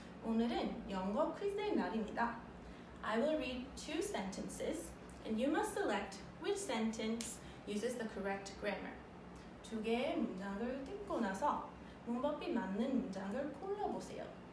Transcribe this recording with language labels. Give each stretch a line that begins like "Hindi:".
Korean: 오늘은 영어 퀴즈 날입니다.
English: I will read two sentences, and you must select which sentence uses the correct grammar.
Korean: 두 개의 문장을 듣고 나서 문법이 맞는 문장을 골라보세요.